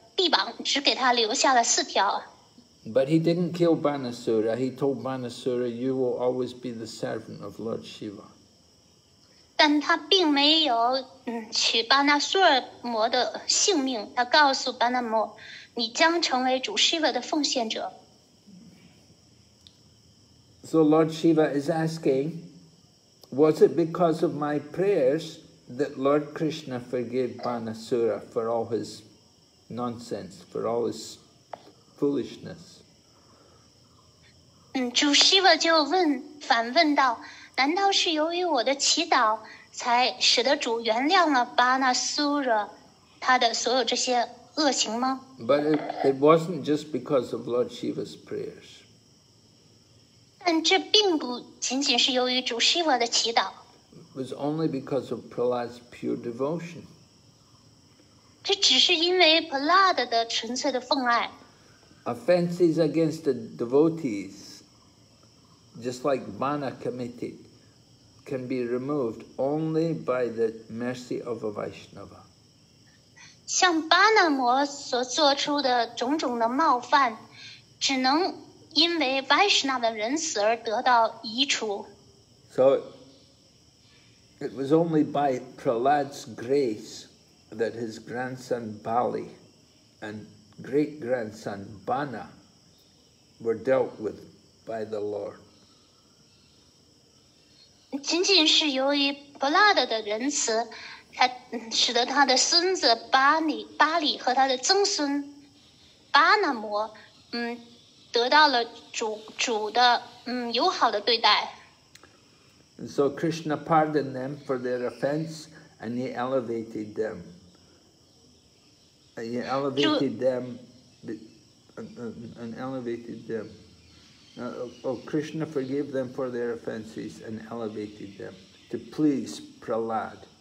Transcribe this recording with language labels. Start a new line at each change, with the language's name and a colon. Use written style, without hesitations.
Chinese: 臂膀只给他留下了四条。
English: But he didn't kill Banasura. He told Banasura, "You will always be the servant of Lord Shiva."
Chinese: 但他并没有取巴纳苏尔摩的性命。他告诉巴纳摩，你将成为主 Shiva 的奉献者。
English: So Lord Shiva is asking, was it because of my prayers that Lord Krishna forgave Banasura for all his nonsense, for all his foolishness?
Chinese: 主 Shiva 就问，反问道，难道是由于我的祈祷才使得主原谅了巴纳苏惹他的所有这些恶行吗？
English: But it wasn't just because of Lord Shiva's prayers.
Chinese: 但这并不仅仅是由于主 Shiva 的祈祷。
English: It was only because of Prahlad's pure devotion.
Chinese: 这只是因为 Prahlad 的纯粹的奉爱。
English: Offenses against the devotees, just like Bana committed,can be removed only by the mercy of a Vaishnava.
Chinese: 像巴纳摩所做出的种种的冒犯，只能因为 Vaishnava 的仁慈而得到移除。
English: So it was only by Prahlad's grace that his grandson Bali and great grandson Bana were dealt with by the Lord.
Chinese: 仅仅是由于布拉德的仁慈，他使得他的孙子巴里和他的曾孙巴纳摩，得到了主的友好的对待。
English: And so Krishna pardoned them for their offense, and he elevated them. He elevated them, and elevated them. Krishna forgave them for their offenses and elevated them to please Prahlad.